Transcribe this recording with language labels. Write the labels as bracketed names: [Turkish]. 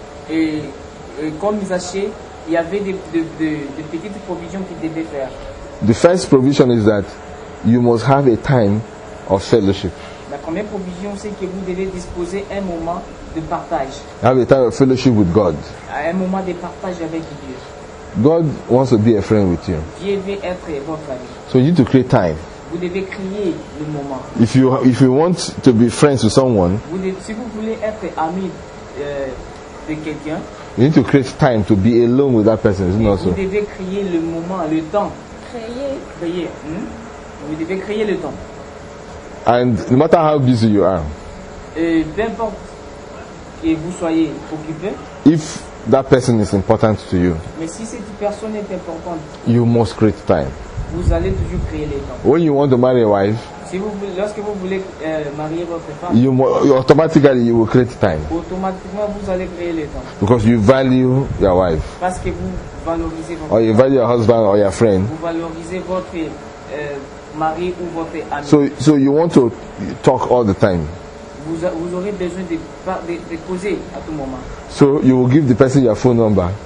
[English] The first provision is that you must have a time of fellowship. [French] La première provision, c'est que vous devez disposer un moment de partage. [English] Have a time of fellowship with God. [French] Un moment de partage avec Dieu. [English] God wants to be a friend with you. [French] Dieu veut être votre ami. [English] So you need to create time. [French] Vous devez créer le moment. [English] If you want to be friends with someone, [French] si vous voulez être ami de quelqu'un, [English] you need to create time to be alone with that person, isn't it also? [French] Vous devez créer le moment, le temps. Créer. Vous devez créer le temps. [English] And no matter how busy you are, [French] peu importe que vous soyez occupé, [English] if that person is important to you, [French] mais si cette personne est importante, [English] you must create time. [French] Vous allez toujours créer le temps. [English] When you want to marry a wife, [French] lorsque vous voulez marier votre femme, [English] automatically you will create time. [French] Automatiquement vous allez créer le temps. [English] Because you value your wife. [French] Parce que vous valorisez votre. [English] Or you value your husband or your friend. [French] Vous valorisez votre mari ou votre ami. [English] So you want to talk all the time. [French] Vous aurez besoin de causer à tout moment. [English] So you will give the person your phone number.